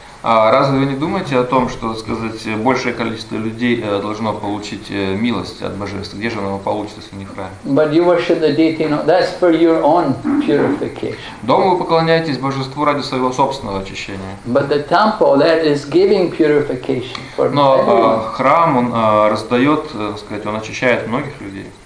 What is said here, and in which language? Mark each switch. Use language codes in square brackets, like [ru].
[ru] Разве вы не думаете о том, что, так сказать, большее количество людей должно получить милость от божества? Где же оно получится, если не в храме? [en] But you worship the deity, no, that's for your own purification. [ru] Дома вы поклоняетесь божеству ради своего собственного очищения. [en] But the temple, that is giving purification for everyone. [ru] Но храм, он раздает, так сказать, он очищает многих людей.